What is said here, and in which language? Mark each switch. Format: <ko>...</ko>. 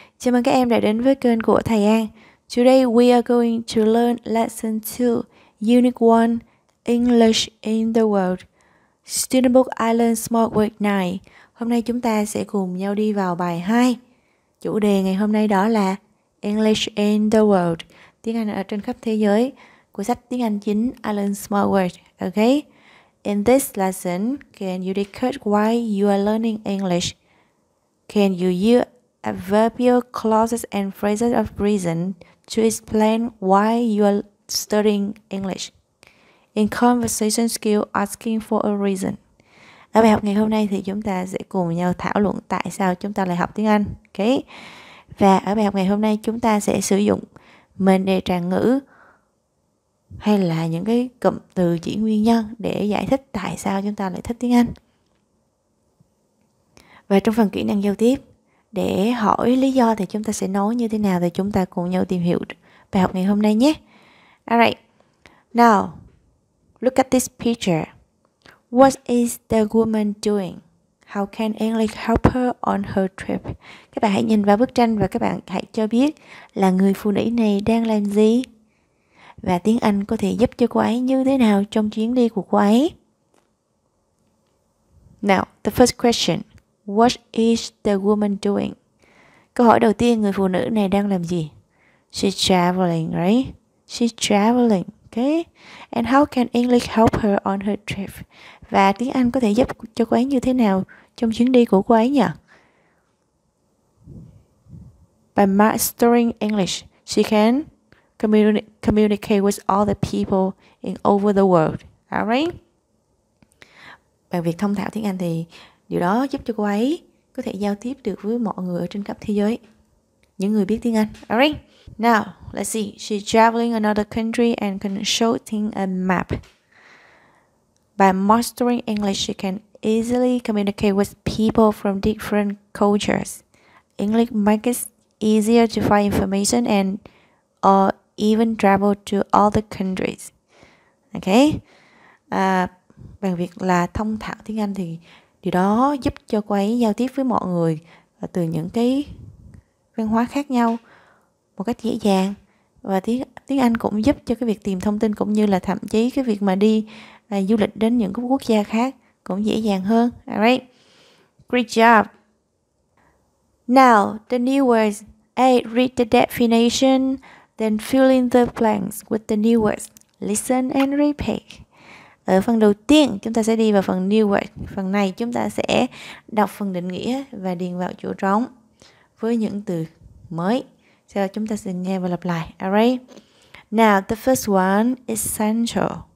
<vi>Chào mừng các em đã đến với kênh của thầy An.</vi> <en>Today we are going to learn lesson 2, unit 1, English in the world.</en> <vi>Student book Island Smart Work 9. Hôm nay chúng ta sẽ cùng nhau đi vào bài 2. Chủ đề ngày hôm nay đó là English in the world, tiếng Anh ở trên khắp thế giới, của sách tiếng Anh chính Island Smart Work.</vi> <en>Okay? In this lesson, can you decode why you are learning English? Can you use adverbial clauses and phrases of reason to explain why you are studying English? In conversation skill, asking for a reason.</en> <vi>Ở bài học ngày hôm nay thì chúng ta sẽ cùng nhau thảo luận tại sao chúng ta lại học tiếng Anh. Okay? Và ở bài học ngày hôm nay chúng ta sẽ sử dụng mệnh đề tràng ngữ hay là những cái cụm từ chỉ nguyên nhân để giải thích tại sao chúng ta lại thích tiếng Anh. Và trong phần kỹ năng giao tiếp, để hỏi lý do thì chúng ta sẽ nói như thế nào thì chúng ta cùng nhau tìm hiểu bài học ngày hôm nay nhé.</vi> <en>Alright, now, look at this picture. What is the woman doing? How can English help her on her trip?</en> <vi>Các bạn hãy nhìn vào bức tranh và các bạn hãy cho biết là người phụ nữ này đang làm gì? Và tiếng Anh có thể giúp cho cô ấy như thế nào trong chuyến đi của cô ấy?</vi> <en>Now, the first question. What is the woman doing?</en> <vi>Câu hỏi đầu tiên, người phụ nữ này đang làm gì?</vi> <en>She's traveling, right? She's traveling, okay? And how can English help her on her trip?</en> <vi>Và tiếng Anh có thể giúp cho cô ấy như thế nào trong chuyến đi của cô ấy nhỉ?</vi> <en>By mastering English, she can communicate with all the people in over the world, alright?</en> <vi>Bằng việc thông thạo tiếng Anh thì điều đó giúp cho cô ấy có thể giao tiếp được với mọi người ở trên khắp thế giới, những người biết tiếng Anh.</vi> <en>Alright, now let's see. She's traveling another country and consulting a map. By mastering English, she can easily communicate with people from different cultures. English makes it easier to find information and or even travel to other countries.</en> <vi>Okay, bằng việc là thông thạo tiếng Anh thì điều đó giúp cho cô ấy giao tiếp với mọi người từ những cái văn hóa khác nhau một cách dễ dàng. Và tiếng Anh cũng giúp cho cái việc tìm thông tin cũng như là thậm chí cái việc mà đi du lịch đến những cái quốc gia khác cũng dễ dàng hơn.</vi> <en>Alright, great job. Now, the new words. A. Read the definition, then fill in the blanks with the new words. Listen and repeat.</en> <vi>Ở phần đầu tiên, chúng ta sẽ đi vào phần new word. Phần này chúng ta sẽ đọc phần định nghĩa và điền vào chỗ trống với những từ mới. Sau đó chúng ta sẽ nghe và lặp lại.</vi> <en>Alright. Now, the first one, essential.</en>